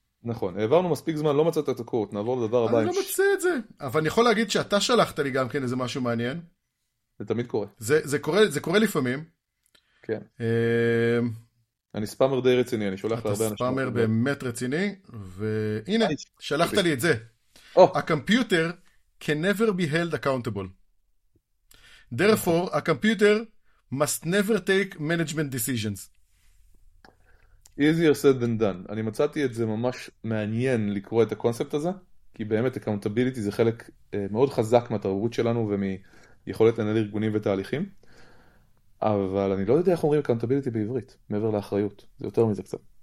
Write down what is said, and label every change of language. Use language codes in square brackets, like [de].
[he] נכון, העברנו מספיק זמן, לא מצאת את הקורט, נעבור לדבר הבא. אני לא מצא את זה, אבל אני יכול להגיד שאתה שלחת לי גם כן איזה משהו מעניין. זה תמיד קורה. זה קורה לפעמים. כן. אני ספאמר די רציני, אני שולח להרבה אנשים. אתה ספאמר באמת רציני, והנה, שלחת לי את זה. [en] A computer can never be held accountable. Therefore, a computer must never take management decisions. Easier said than done. [he] אני מצאתי את זה ממש מעניין לקרוא את הקונספט הזה, כי באמת accountability זה חלק מאוד חזק מהתרבות שלנו ומיכולת לנהל ארגונים ותהליכים, אבל אני לא יודע איך אומרים accountability בעברית, מעבר לאחריות. זה יותר מזה קצת.